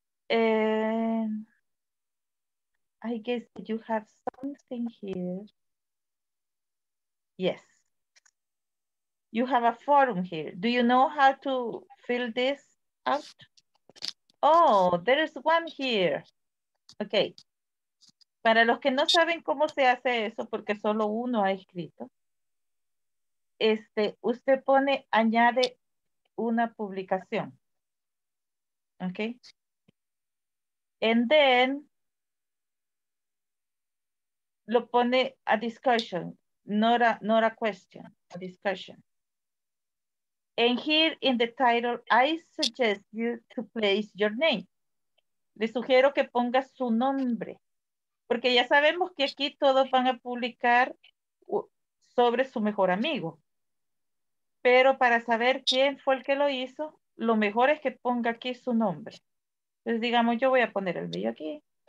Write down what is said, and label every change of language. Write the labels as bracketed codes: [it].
[en] I guess you have something here. Yes. You have a form here. Do you know how to fill this out? Oh, there is one here. Okay. [es] Para los que no saben cómo se hace eso, porque solo uno ha escrito, usted pone, añade una publicación. Okay. And then, lo pone a discussion, not a question, a discussion. [en] And here in the title, I suggest you to place your name. [es] Le sugiero que ponga su nombre. Porque ya sabemos que aquí todos van a publicar sobre su mejor amigo. Pero para saber quién fue el que lo hizo, lo mejor es que ponga aquí su nombre. Entonces, digamos, yo voy a poner el mío aquí.